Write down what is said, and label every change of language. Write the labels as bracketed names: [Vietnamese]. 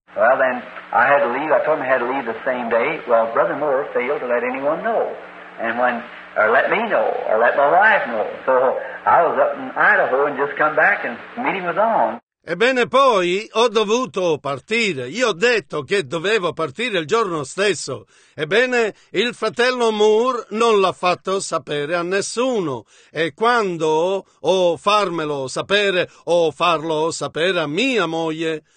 [English] Well, then, I had to leave. I told him I had to leave the same day. Well, Brother Moore failed to let anyone know, or let me know, or let my wife know. So I was up in Idaho and just come back, and the meeting was on. [Italian] Ebbene, poi ho dovuto partire. Io ho detto che dovevo partire il giorno stesso. Ebbene, il fratello Moore non l'ha fatto sapere a nessuno. E quando ho farmelo sapere o farlo sapere a mia moglie.